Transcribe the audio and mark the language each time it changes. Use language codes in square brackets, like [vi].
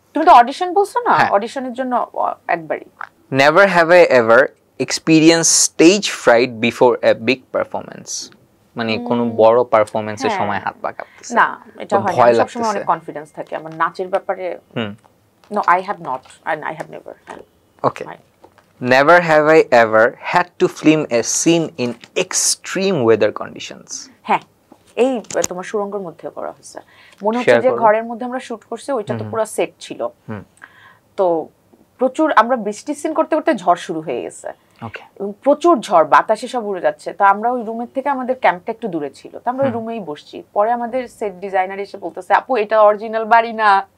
[bn] তুমি তো অডিশন বলছো না, অডিশনের জন্য একবারই। [en] never have I ever experience stage fright before a big performance, [bn] মানে কোনো বড় পারফরম্যান্সের সময় হাত পা কাঁপতেছে না, এটা হয় না, সবসময় অনেক কনফিডেন্স থাকে আমার নাচের ব্যাপারে। [en] No I have not and I have never. Okay, never have I ever had to film a scene in extreme weather conditions. [bn] হ্যাঁ, এই তোমার সুরঙ্গের মধ্যে করা হয়েছে, মনে হচ্ছে যে ঘরের মধ্যে আমরা শুট করছি, ওইটা তো পুরো সেট ছিল, তো প্রচুর আমরা বৃষ্টি সিন করতে করতে ঝড় শুরু হয়ে গেছে, প্রচুর ঝড় বাতাসে সব উড়ে যাচ্ছে, তো আমরা ওই রুমের থেকে আমাদের ক্যাম্পটা একটু দূরে ছিল, তো আমরা ওই রুমেই বসছি, পরে আমাদের সেট ডিজাইনার এসে বলতেছে আপু এটা অরিজিনাল বাড়ি না,